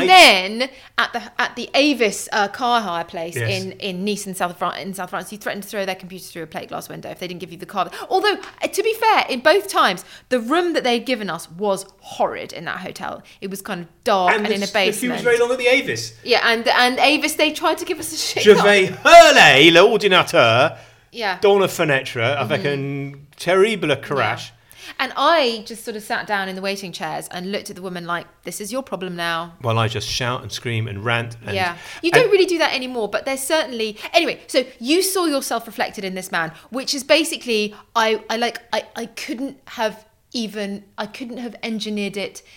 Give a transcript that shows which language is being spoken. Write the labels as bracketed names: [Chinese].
[English] And then at the Avis car hire place in Nice in South France, you threatened to throw their computer through a plate glass window if they didn't give you the car. Although, to be fair, in both times, the room that they'd given us was horrid in that hotel. It was kind of dark and in a basement. And the queue was very long at the Avis. Yeah, and Avis, they tried to give us a shake. [French] Je vais hurler l'ordinateur dans la fenêtre avec un terrible crash. [English] Yeah. And I just sort of sat down in the waiting chairs and looked at the woman like, this is your problem now. While I just shout and scream and rant. And, yeah. You don't really do that anymore, but there's certainly... Anyway, so you saw yourself reflected in this man, which is basically, I couldn't have engineered it.